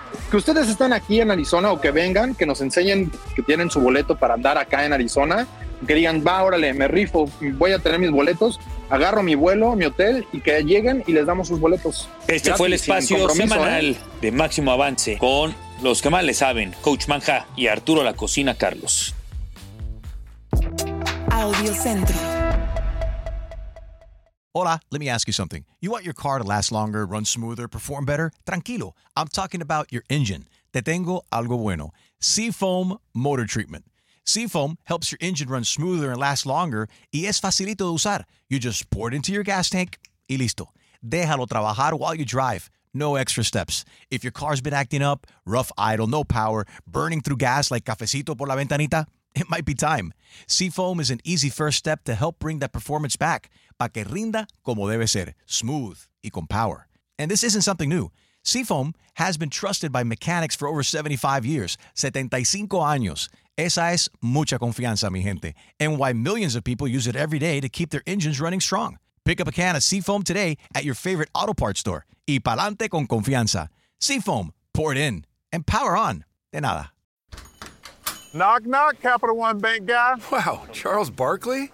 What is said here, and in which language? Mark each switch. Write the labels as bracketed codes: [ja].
[es] Que ustedes están aquí en Arizona o que vengan, que nos enseñen que tienen su boleto para andar acá en Arizona, que digan, va, órale, me rifo, voy a tener mis boletos, agarro mi vuelo, mi hotel, y que lleguen y les damos sus boletos. Este gratis, fue el espacio semanal de Máximo Avance con los que más le saben, Coach Manja y Arturo La Cocina Carlos. Audio Centro. Hola, [en] let me ask you something. You want your car to last longer, run smoother, perform better? [es] Tranquilo, [en] I'm talking about your engine. [es] Te tengo algo bueno. Seafoam Motor Treatment. [en] Seafoam helps your engine run smoother and last longer, [es] y es facilito de usar. [en] You just pour it into your gas tank, [es] y listo. Déjalo trabajar [en] while you drive. No extra steps. If your car's been acting up, rough idle, no power, burning through gas like [es] cafecito por la ventanita, [en] it might be time. Seafoam is an easy first step to help bring that performance back. [es] Pa que rinda como debe ser, smooth y con power. [en] And this isn't something new. Seafoam has been trusted by mechanics for over 75 years. [es] 75 años. Esa es mucha confianza, mi gente. [en] And why millions of people use it every day to keep their engines running strong. Pick up a can of Seafoam today at your favorite auto parts store. [es] Y pa'lante con confianza. [en] Seafoam, pour it in. And power on. [es] De nada. [en] Knock, knock, Capital One Bank guy. Wow, Charles Barkley?